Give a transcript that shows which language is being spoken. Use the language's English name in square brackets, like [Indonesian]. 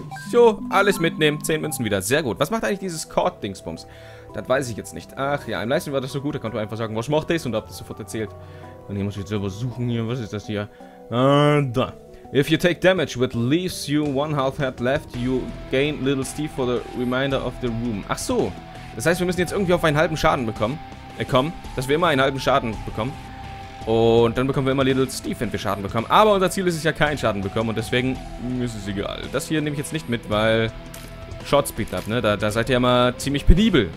[German] So, alles mitnehmen. 10 Münzen wieder. Sehr gut. Was macht eigentlich dieses Court-Dingsbums? Das weiß ich jetzt nicht. Ach ja, im Livestream war das so gut. Da konnte man einfach sagen, was macht das? Und ob das sofort erzählt. Und hier muss ich jetzt selber suchen hier. Was ist das hier? Da. [English] If you take damage, which leaves you one half head left, you gain little Steve for the remainder of the room. [German] Ach so. Das heißt, wir müssen jetzt irgendwie auf einen halben Schaden bekommen. Kommen. Dass wir immer einen halben Schaden bekommen. Und dann bekommen wir immer Little Steve, wenn wir Schaden bekommen. Aber unser Ziel ist es ja, keinen Schaden bekommen. Und deswegen ist es egal. Das hier nehme ich jetzt nicht mit, weil... Short Speed Up, ne? Da seid ihr ja mal ziemlich penibel.